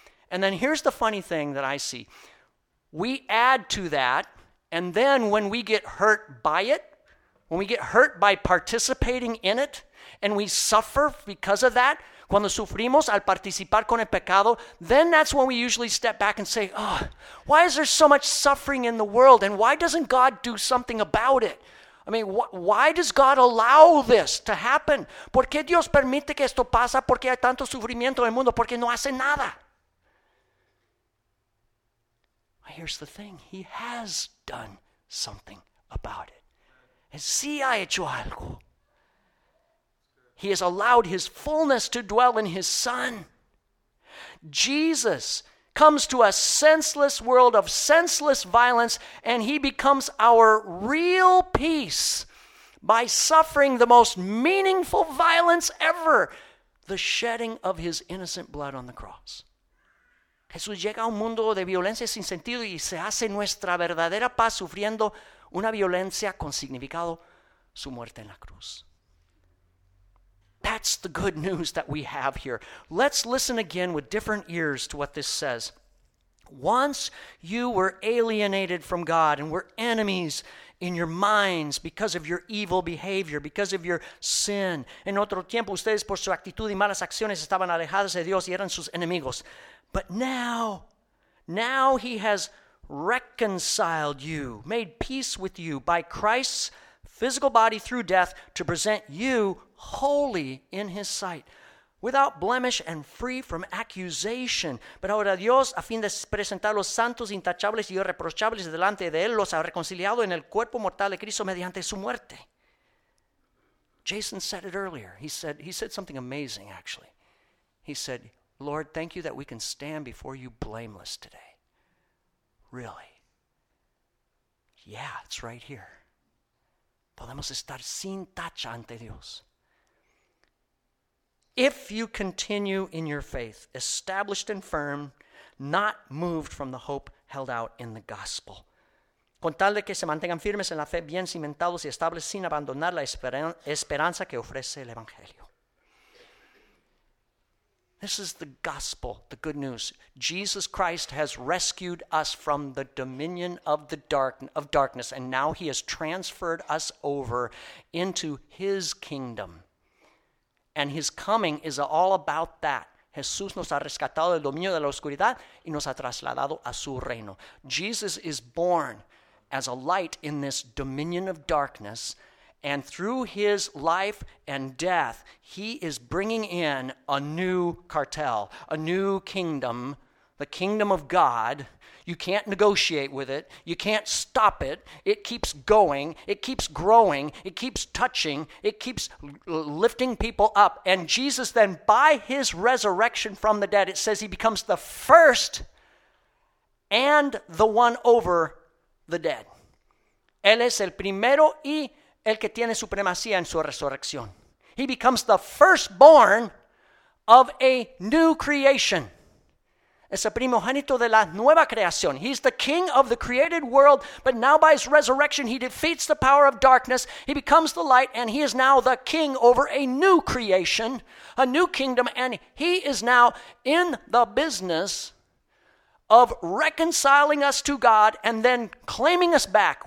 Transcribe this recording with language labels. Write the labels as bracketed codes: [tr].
[en] And then here's the funny thing that I see. We add to that, and then when we get hurt by it, when we get hurt by participating in it, and we suffer because of that, [es] cuando sufrimos al participar con el pecado, [en] then that's when we usually step back and say, oh, why is there so much suffering in the world, and why doesn't God do something about it? I mean, why does God allow this to happen? [es] ¿Por qué Dios permite que esto pasa? ¿Por qué hay tanto sufrimiento en el mundo? ¿Por qué no hace nada? [en] Well, here's the thing. He has done something about it. [es] Sí ha hecho algo. [en] He has allowed his fullness to dwell in his Son. Jesus comes to a senseless world of senseless violence, and he becomes our real peace by suffering the most meaningful violence ever, the shedding of his innocent blood on the cross. [es] Jesús llega a un mundo de violencia sin sentido y se hace nuestra verdadera paz sufriendo una violencia con significado, su muerte en la cruz. [en] That's the good news that we have here. Let's listen again with different ears to what this says. Once you were alienated from God and were enemies in your minds because of your evil behavior, because of your sin. [es] En otro tiempo, ustedes por su actitud y malas acciones estaban alejados de Dios y eran sus enemigos. [en] But now he has reconciled you, made peace with you by Christ's physical body through death to present you holy in his sight, without blemish and free from accusation. [es] Pero ahora Dios, a fin de presentar los santos intachables y irreprochables delante de él, los ha reconciliado en el cuerpo mortal de Cristo mediante su muerte. [en] Jason said it earlier. He said something amazing, actually. He said, Lord, thank you that we can stand before you blameless today. Really? Yeah, it's right here. [es] Podemos estar sin tacha ante Dios. [en] If you continue in your faith, established and firm, not moved from the hope held out in the gospel. [es] con tal de que se mantengan firmes en la fe, bien cimentados y estables, sin abandonar la esperanza que ofrece el Evangelio. [en] This is the gospel, the good news. Jesus Christ has rescued us from the dominion of the darkness, and now he has transferred us over into his kingdom. And his coming is all about that. [es] Jesús nos ha rescatado del dominio de la oscuridad y nos ha trasladado a su reino. [en] Jesus is born as a light in this dominion of darkness. And through his life and death, he is bringing in a new cartel, a new kingdom, the kingdom of God. You can't negotiate with it. You can't stop it. It keeps going. It keeps growing. It keeps touching. It keeps lifting people up. And Jesus then, by his resurrection from the dead, it says he becomes the first and the one over the dead. [es] Él es el primero y el que tiene supremacía en su resurrección. [en] He becomes the firstborn of a new creation. [es] Es el primogénito de la nueva creación. [en] He's the king of the created world, but now by his resurrection, he defeats the power of darkness. He becomes the light, and he is now the king over a new creation, a new kingdom, and he is now in the business of reconciling us to God and then claiming us back.